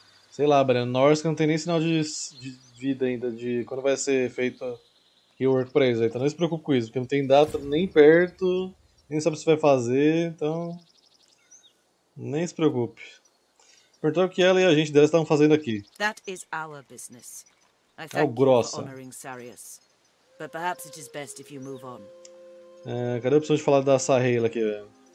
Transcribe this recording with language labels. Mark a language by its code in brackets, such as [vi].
[pt] Sei lá, Breno, Norsk não tem nem sinal de vida ainda, de quando vai ser feito rework pra eles, então não se preocupe com isso, porque não tem data nem perto. Nem sabe se vai fazer, então nem se preocupe. Perguntou o que ela e a gente dela estavam fazendo aqui. [en] That is our business. I thank you for honoring Sarius, but perhaps it is best if you move on. [pt] Cadê a opção de falar da Sahela aqui, velho?